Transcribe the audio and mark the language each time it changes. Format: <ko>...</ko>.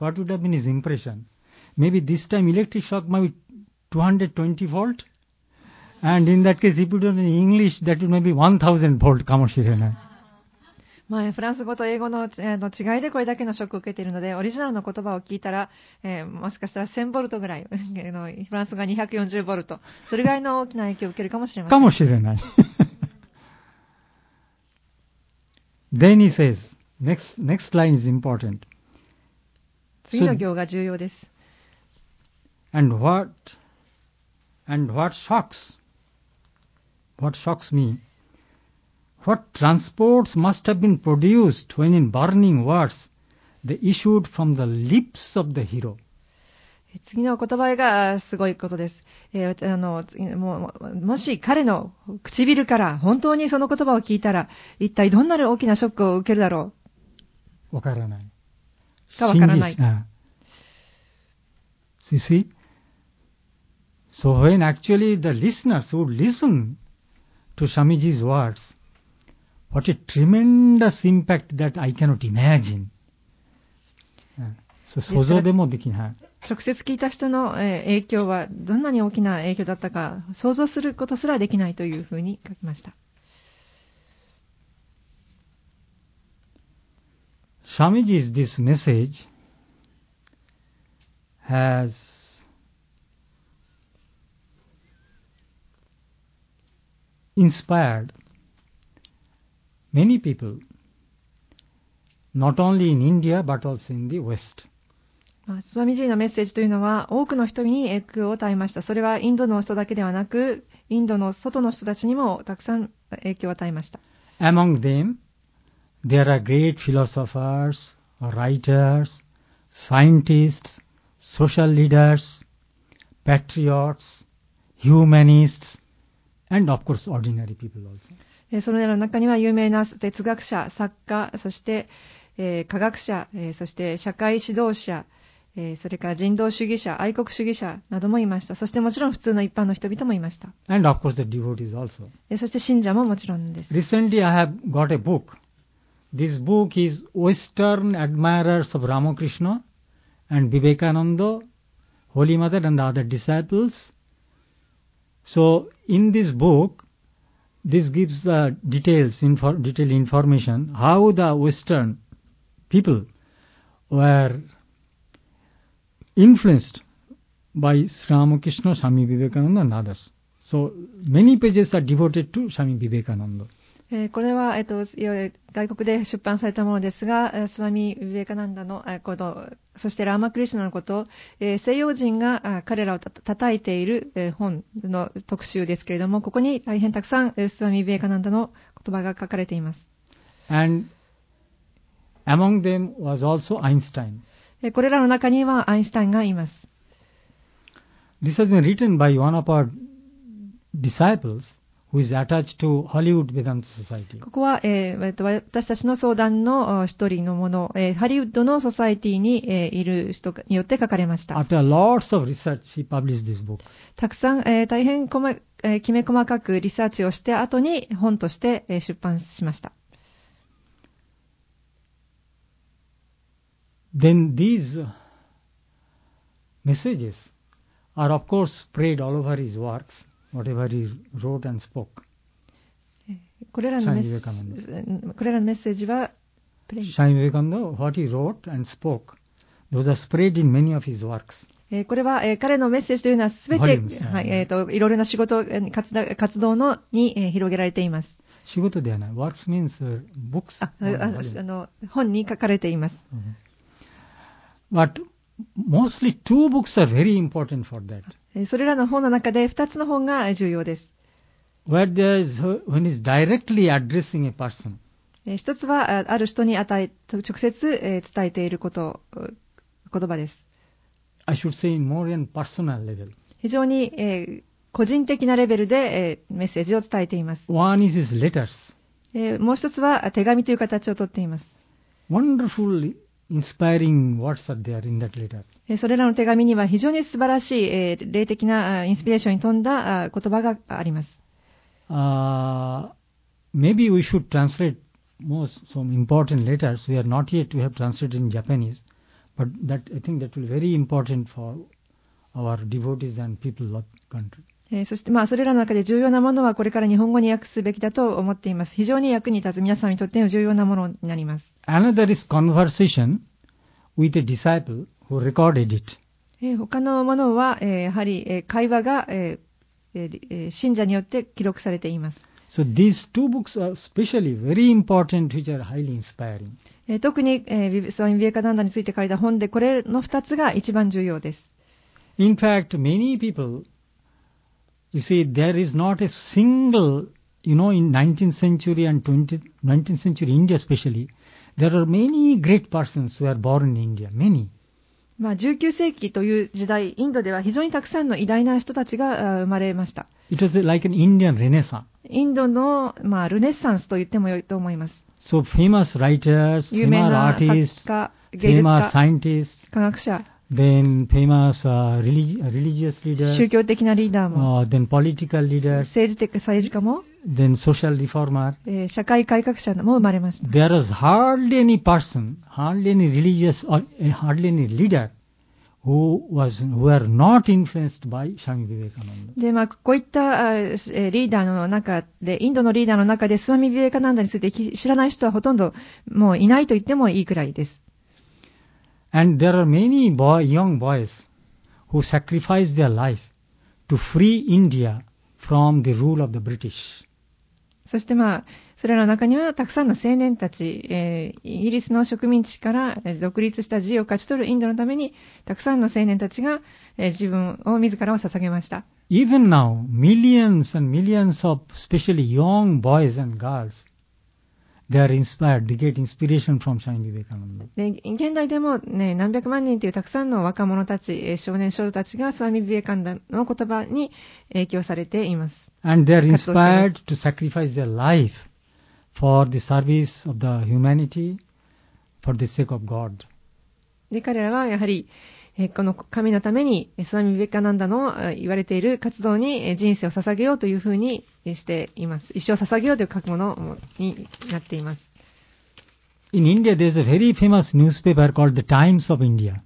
<en>What would have been his impression? Maybe this time electric shock might be 220 volt. And in that case, if you don't know English, that would maybe 1000 volt</en> <ja>かもしれない。まあ、フランス語と英語 の違いでこれだけのショックを受けているので、オリジナルの言葉を聞いたら、もしかしたら1000ボルトぐらい、フランス語240ボルト、それぐらいの大きな影響を受けるかもしれません。かもしれない。</ja> <en>Then he says, next line is important.</en> <ja>次の行が重要です。</ja> <en>And what shocks me? What transports must have been produced when in burning words they issued from the lips of the hero?</en> <ja>次の言葉がすごいことです。もし彼の唇から本当にその言葉を聞いたら、一体どんな大きなショックを受けるだろう。わからない。わからない。</ja> <en>So you see? So when actually the listeners would listen to Shamiji's words,What a tremendous impact that I cannot imagine.</en> <ja>So, 想像でもできない。直接聞いた人の影響はどんなに大きな影響だったか想像することすらできないというふうに書きました。</ja> <en>Shamiji's this message has inspired. Many people, not only in India but also in the West.</en> <ja>スワミジーのメッセージというのは多くの人に影響を与えました。それはインドの人だけではなく、インドの外の人たちにもたくさん影響を与えました。</ja> <en>Among them, there are great philosophers, writers, scientists, social leaders, patriots, humanists, and of course ordinary people also.</en> <ja>それらの中には有名な哲学者、作家、そして、科学者、そして社会指導者、それから人道主義者、愛国主義者などもいました。そしてもちろん普通の一般の人々もいました。</ja> <en>And of course the devotees also.</en> <ja>そして信者ももちろんです。</ja> <en>Recently I have got a book. This book is Western Admirers of Ramakrishna and Vivekananda, Holy Mother and the other disciples. So in this book,This gives the detailed information how the Western people were influenced by Sri Ramakrishna, Swami Vivekananda and others. So many pages are devoted to Swami Vivekananda.</en> <ja>これは、外国で出版されたものですが、スワミ・ヴィヴェカナンダのこと、そしてラーマ・クリシュナのこと、西洋人が彼らを叩いている本の特集ですけれども、ここに大変たくさんスワミ・ヴィヴェカナンダの言葉が書かれています。</ja> <en>And among them was also Einstein.</en> <ja>これらの中にはアインシュタインがいます。</ja> <en>This has been written by one of our disciples. Who is attached to Hollywood Vedanta Society.</en> <ja>ここは、私たちの相談の一人のもの、ハリウッドのソサイティに、いる人によって書かれました。</ja> <en>After lots of research, he published this book.</en> <ja>たくさん、大変きめ細かくリサーチをして、後に本として、出版しました。</ja> <en>Then these messages are of course spread all over his works. Whatever he wrote and spoke.</en> <ja>これらのメッセージは、</ja> <en>Swami Vivekananda, what he wrote and spoke, those are spread in many of his works.</en> <ja>これは彼のメッセージというのはすべて、はい、いろいろな仕事、活動のに広げられています。仕事ではない。</ja> <en>Works means books.</en> <ja>あの本に書かれています。</ja> <en>But mostly two books are very important for that.</en> <ja>それらの本の中で2つの本が重要です。</ja> <en>When he's directly addressing a person.</en> <ja>一つはある人に直接伝えていること、言葉です。</ja> <en>I should say more in personal level.</en> <ja>非常に、個人的なレベルで、メッセージを伝えています。</ja> <en>One is his letters.</en> <ja>もう一つは手紙という形をとっています。</ja> <en>Wonderful inspiring words are there in that letter.</en> <ja>それらの手紙には非常に素晴らしい、霊的なインスピレーションに富んだ言葉があります。</ja> <en>Maybe we should translate most some important letters. We are not yet we have translated in Japanese, but that I think that will be very important for our devotees and people of country.</en> <ja>そして、まあ、それらの中で重要なものはこれから日本語に訳すべきだと思っています。非常に役に立つ皆さんにとっての重要なものになります。</ja> <en>Another is conversation with a disciple who recorded it.</en> <ja>他のものは、やはり、会話が、信者によって記録されています。</ja> <en>So these two books are especially very important, which are highly inspiring.</en> <ja>特に、スワミ・ヴィヴェカナンダについて書いた本で、これの2つが一番重要です。</ja> <en>In fact, many people, you see, there is not a single, you know, in 19th century and 19th century India especially, there are many great persons who are born in India, many.</en> <ja>まあ、19世紀という時代、インドでは非常にたくさんの偉大な人たちが生まれました。</ja> <en>It was like an Indian Renaissance.</en> <ja>インドの、まあ、ルネッサンスと言ってもよいと思います。</ja> <en>So famous writers, famous artists,</en> <ja>有名な作家、芸術家、</ja> <en>famous scientists,</en> <ja>科学者、</ja> <en>then famous religious leaders,</en> <ja>宗教的なリーダーも、</ja> <en>then political leaders,</en> <ja>政治家も、</ja> <en>then social reformer,</en> <ja>社会改革者も生まれました。</ja> <en>There is hardly any person, hardly any religious, or hardly any leader. Who are not influenced by Swami Vivekananda.</en> <ja>で、まあ、こういった、リーダーの中で、インドのリーダーの中で、スワミ・ビベカナンダについて知らない人はほとんどもういないと言ってもいいくらいです。</ja> <en>And there are many young boys who sacrifice their life to free India from the rule of the British.</en> <ja>そして、まあ、それらの中にはたくさんの青年たち、イギリスの植民地から独立した自由を勝ち取るインドのためにたくさんの青年たちが、自分を自らを捧げました。</ja> <en>Even now, millions and millions of especially young boys and girls they are inspired, they get inspiration from Swami Vivekananda.</en> <ja>現代でも、ね、何百万人というたくさんの若者たち、少年少女たちがスワミ・ヴィヴェカナンダの言葉に影響されています。</ja> <en>And they are inspired to sacrifice their life for the service of the humanity, for the sake of God.</en> <ja>で、彼らはやはり、この神のために、スワミ・ヴィヴェカナンダの言われている活動に人生を捧げようというふうにしています。一生捧げようという覚悟になっています。</ja> <en>In India, there's a very famous newspaper called The Times of India.</en>